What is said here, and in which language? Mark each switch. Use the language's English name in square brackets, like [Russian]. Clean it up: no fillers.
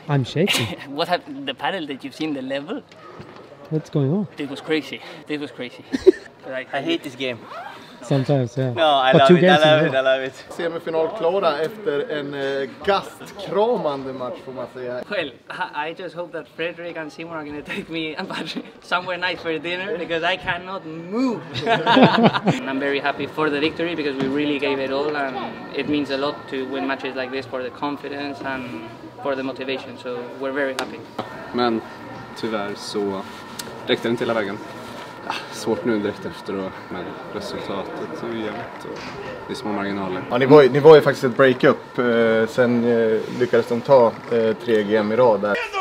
[English] I'm shaking. What happened? The panel, did you see the level? What's going on? This was crazy. I hate this game. Sometimes, yeah. No, I but love it, I love it. [Swedish] Semifinal klara efter en gastkramande match, får man säga. [English] Well, I just hope that Fredrik and Simon are going to take me and Patrick somewhere nice for dinner, because I cannot move. And I'm very happy for the victory, because we really gave it all, and it means a lot to win matches like this for the confidence and for the motivation, so we're very happy. [Swedish] Men, tyvärr så... Räckte den till hela vägen? Svårt nu direkt efter då, men resultatet är ju jämnt och det är små marginaler. Ja, ni var ju faktiskt ett break-up, sen lyckades de ta 3 GM i rad där.